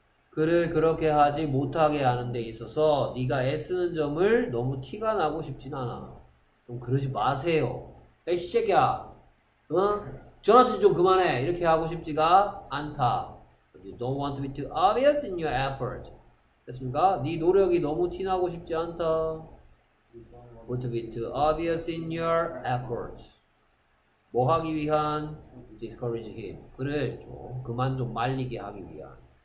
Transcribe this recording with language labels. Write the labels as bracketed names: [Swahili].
[Korean] 그를 그렇게 하지 못하게 하는 데 있어서 네가 애쓰는 점을 너무 티가 나고 싶진 않아. 좀 그러지 마세요. 에이 새끼야. 응? 저한테 좀 그만해. 이렇게 하고 싶지가 않다. [English] You don't want to be too obvious in your effort. [Korean] 됐습니까? 네 노력이 너무 티나고 싶지 않다. [English] Want to be too obvious in your efforts. 뭐 하기 위한? Discourage him. [Korean] 그래, 좀 그만 좀 말리게 하기 위한.